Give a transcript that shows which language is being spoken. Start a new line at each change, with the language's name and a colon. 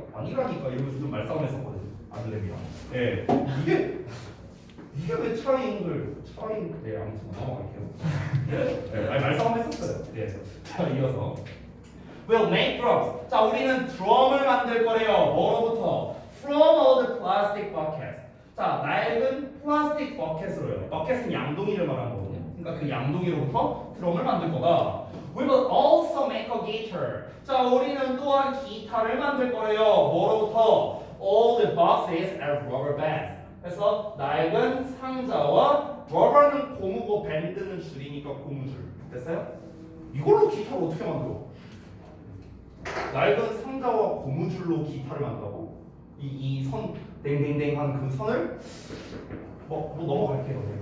Korean: 아니라니까 이러면서 좀 말싸움 했었거든 아들내미야. 예 네. 이게 왜 트라이앵글? 네, 아무튼 넘어갈게요. 네, 아니 말싸움 했었어요. 네, 자 이어서
English: We'll make drums.
Korean: 자, 우리는 드럼을 만들 거래요. 뭐로부터?
English: From all the plastic buckets.
Korean: 자, 낡은 플라스틱 버켓으로요. 버켓은 양동이를 말하는 거거든요. 그러니까 그 양동이로부터 드럼을 만들 거다.
English: We will also make a guitar.
Korean: 자, 우리는 또한 기타를 만들 거래요. 뭐로부터?
English: All the boxes and rubber bands.
Korean: 그래서 낡은 상자와 rubber는 고무고 밴드는 줄이니까 고무줄. 됐어요? 이걸로 기타를 어떻게 만들어? 낡은 상자와 고무줄로 기타를 만든다고? 이 선 댕댕댕한 그 선을 뭐 넘어갈게요.